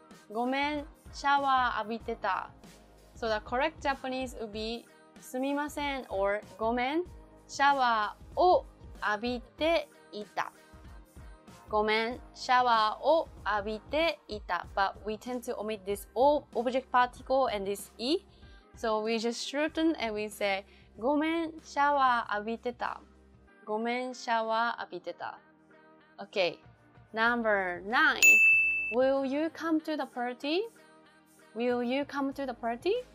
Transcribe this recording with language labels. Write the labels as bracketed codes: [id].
[ja] ごめん、シャワー浴びてた。 [en] So the correct Japanese would be, [ja] すみません or ごめん、シャワーを浴びていた。ごめん、シャワーを浴びていた。 [en] But we tend to omit this O object particle and this E. So we just shorten and we say, [ja] ごめん、シャワー浴びてた。ごめん、シャワー浴びてた。 [en] Okay, number 9. Will you come to the party? Will you come to the party?